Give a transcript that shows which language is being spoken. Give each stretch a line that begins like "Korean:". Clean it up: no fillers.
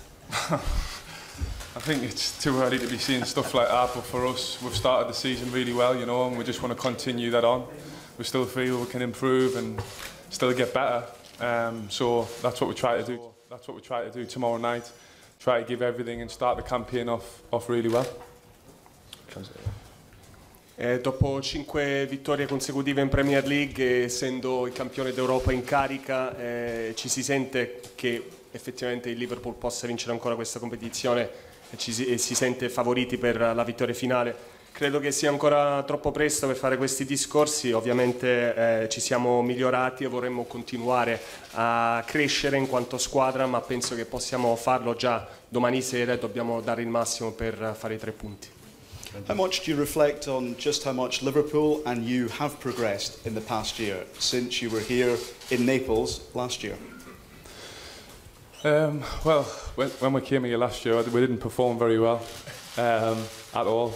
English: I think it's too early to be seeing stuff like that, but for us, we've started the season really well, you know, and we just want to continue that on. We still feel we can improve and still get better. So that's what we try to do. That's what we try to do tomorrow night. Try to give everything and start the campaign off really well.
Italian: Dopo 5 vittorie consecutive in Premier League, essendo il campione d'Europa in carica, ci si sente che effettivamente il Liverpool possa vincere ancora questa competizione e si sente favoriti per la vittoria finale. Credo che sia ancora troppo presto per fare questi discorsi, ovviamente ci siamo migliorati e vorremmo continuare a crescere in quanto squadra, ma penso che possiamo farlo già domani sera e dobbiamo dare il massimo per fare i 3 punti.
English: How much do you reflect on just how much Liverpool and you have progressed in the past year since you were here in Naples last year? Well, when we came here last year, we didn't perform very well at all.